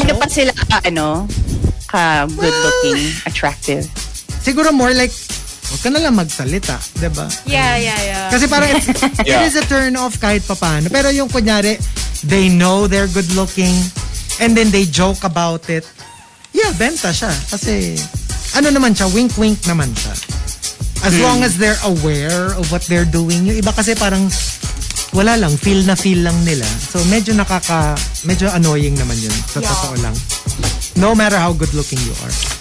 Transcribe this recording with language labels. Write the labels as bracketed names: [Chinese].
[Filipino] Kahit gano'n pa sila ka, ano, ka [English] good looking, attractive. [Filipino] Siguro [English] more like, [Filipino] huwag ka nalang magsalita, di ba? [English] Yeah. [Filipino] Kasi parang [English] it is a turn off [Filipino] kahit pa paano. Pero yung kunyari, [English] they know they're good looking and then they joke about it. [Filipino] Yeah, benta siya. Kasi ano naman siya, wink-wink naman siya. [English] As long as they're aware of what they're doing. [Filipino] Yung iba kasi parang wala lang, feel na feel lang nila. So medyo nakaka, medyo annoying naman yun. Sa totoo lang. [English] No matter how good looking you are.